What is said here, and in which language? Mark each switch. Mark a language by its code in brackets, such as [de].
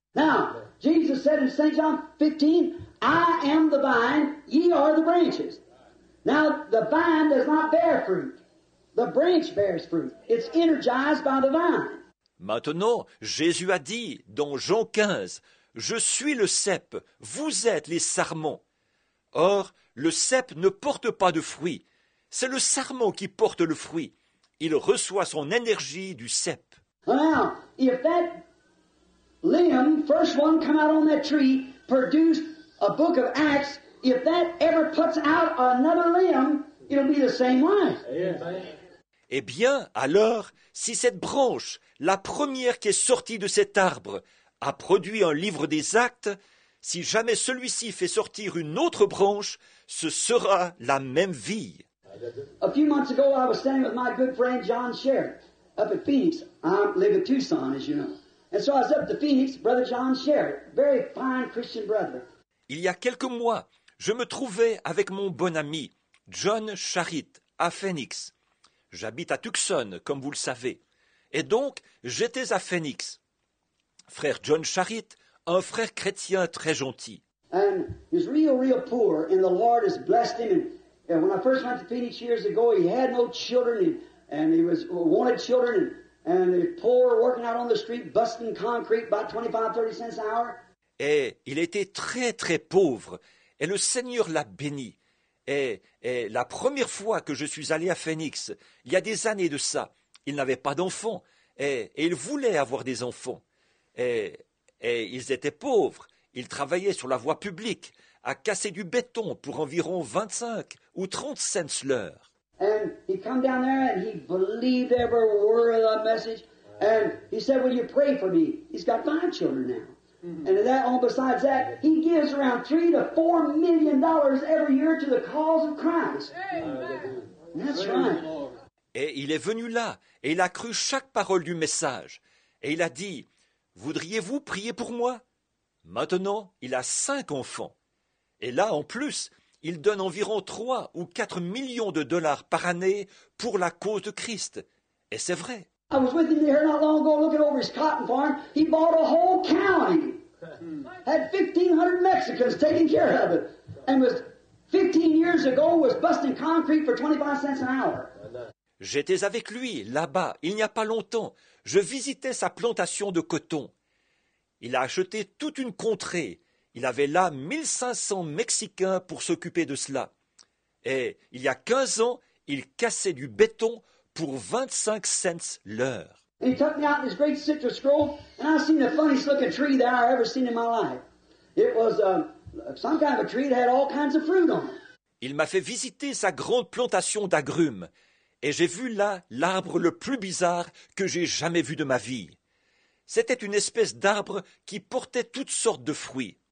[en] Now, Jesus said in Saint John 15, I am the vine, ye are the branches. Now, the vine does not bear fruit. The branch bears fruit. It's energized by the vine. [fr] Maintenant, Jésus a dit dans Jean 15, Je suis le cep, vous êtes les sarments. Or, le cep ne porte pas de fruit. C'est le sarment qui porte le fruit. Il reçoit son énergie du cep. [en] Now, if that limb, first one come out on that tree, produced a book of Acts, if that ever puts out another limb, it'll be the same one. [fr] Eh bien, alors, si cette branche, la première qui est sortie de cet arbre, a produit un livre des Actes, si jamais celui-ci fait sortir une autre branche, ce sera la même vie. [en] A few months ago, I was standing with my good friend John Sherrett up at Phoenix. I live in Tucson, as you know. And so I was up to Phoenix, brother John Sherrett, very fine Christian brother. [fr] Il y a quelques mois, je me trouvais avec mon bon ami John Sherrett à Phoenix. J'habite à Tucson, comme vous le savez. Et donc, j'étais à Phoenix. Frère John Sherrett, un frère chrétien très gentil. [en] And he's real, real poor, and the Lord has blessed him. And when I first went to Phoenix years ago, he had no children, and he was wanted children, and the poor working out on the street, busting concrete about 25, 30 cents an hour. [fr] Et il était très, très pauvre, et le Seigneur l'a béni. Et la première fois que je suis allé à Phoenix, il y a des années de ça, il n'avait pas d'enfants, et il voulait avoir des enfants. Et ils étaient pauvres, ils travaillaient sur la voie publique, à casser du béton pour environ 25 ou 30 cents l'heure. [en] And he come down there and he believed every word of the message. And he said, will you pray for me? He's got five children now. And that, on besides that, he gives around $3 to $4 million every year to the cause of Christ. Amen. That's right. [fr] Et il est venu là, et il a cru chaque parole du message. Et il a dit, voudriez-vous prier pour moi? Maintenant, il a 5 enfants. Et là, en plus, il donne environ 3 ou 4 millions de dollars par année pour la cause de Christ. Et c'est vrai. [en] I was with him here not long ago looking over his cotton farm. He bought a whole county. Had 1,500 Mexicans taking care of it. And was 15 years ago was busting concrete for 25 cents an hour. [fr] J'étais avec lui là-bas, il n'y a pas longtemps. Je visitais sa plantation de coton. Il a acheté toute une contrée. Il avait là 1,500 Mexicains pour s'occuper de cela. Et il y a 15 ans, il cassait du béton pour 25 cents l'heure. [en] He took me out in this great citrus grove, and I seen the funniest looking tree that I ever seen in my life. It was some kind of a tree that had all kinds of fruit on it. [fr] Il m'a fait visiter sa grande plantation d'agrumes, et j'ai vu là l'arbre le plus bizarre que j'ai jamais vu de ma vie. C'était une espèce d'arbre qui portait toutes sortes de fruits.